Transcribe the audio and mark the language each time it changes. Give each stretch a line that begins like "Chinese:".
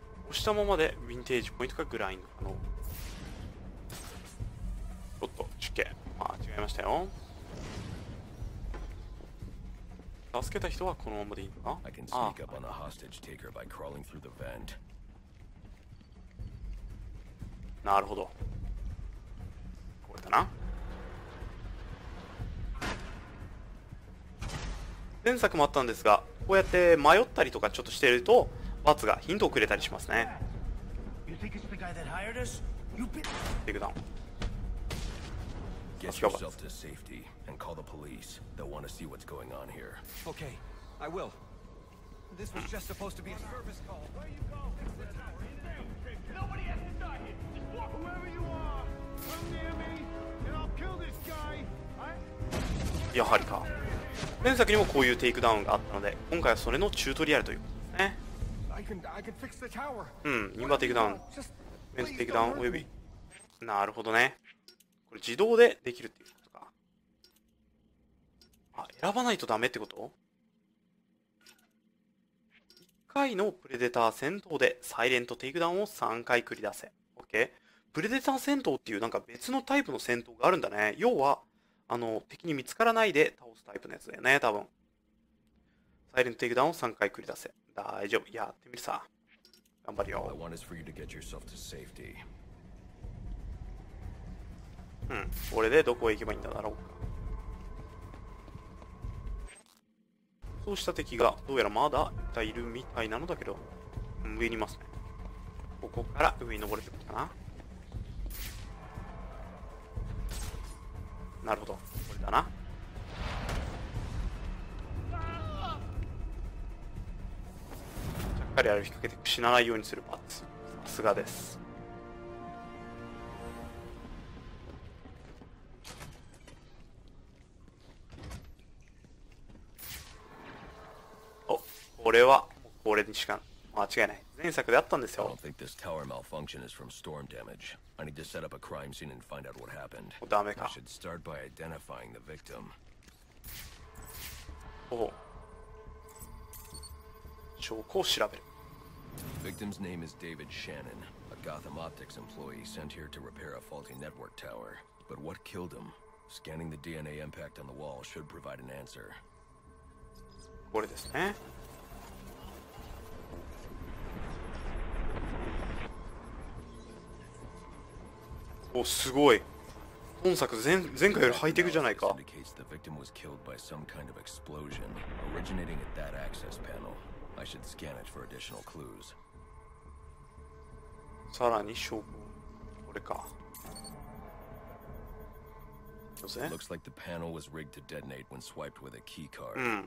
Japanese: 押したままでヴィンテージポイントかグラインド可能。ちょっと失敬、あ、違いましたよ。助けた人はこのままでいいのか。
English: I can sneak up on a hostage taker by crawling through the vent.
Japanese: なるほど、これだな。前作もあったんですが、こうやって迷ったりとかちょっとしているとバツがヒントをくれたりしますね。テイクダウン。
English: Get yourself to safety and call the police. They'll want to see what's going on here. Okay, I will. This was just supposed to be a service call. Nobody has to die here. Just walk wherever you are. Come near me, and I'll kill this guy.
Japanese: やはりか。前作にもこういうテイクダウンがあったので、今回はそれのチュートリアルということですね。うん、ニンバーテイクダウン、メンズテイクダウンおよび、なるほどね、これ自動でできるっていうことか。あ、選ばないとダメってこと。 1回のプレデター戦闘でサイレントテイクダウンを3回繰り出せ。 OK。プレデター戦闘っていうなんか別のタイプの戦闘があるんだね。要はあの敵に見つからないで倒すタイプのやつだよね、多分。サイレントテイクダウンを3回繰り出せ。大丈夫、やってみるさ。頑張るよ。
English: All I want is for you to get yourself to safety.
Japanese: うん、これでどこへ行けばいいんだろうか。そうした敵がどうやらまだいるみたいなのだけど、上にいますね。ここから上に登れてくるかな。なるほど、これだな。しっかり歩きかけて死なないようにするパーツ、さすがです。お、これはこれにしか間違いない。前作であったんですよ。
English: I don't think this tower malfunction is from storm damage. I need to set up a crime scene and find out what happened.
Japanese: ダメか。
English: I should start by identifying the victim.
Japanese: おお、証拠を調べる。
English: Victim's name is David Shannon, a Gotham Optics employee sent here to repair a faulty network tower. But what killed him? Scanning the DNA impact on the wall should provide an answer.
Japanese: これですね。お、すごい。本作 前回よりハイテクじゃないか。
English: The case the victim was killed by some kind of explosion originating at that access panel. I should scan it for additional clues.
Japanese: さらに証拠これか。
English: Looks like the panel was rigged to detonate when swiped with a key card.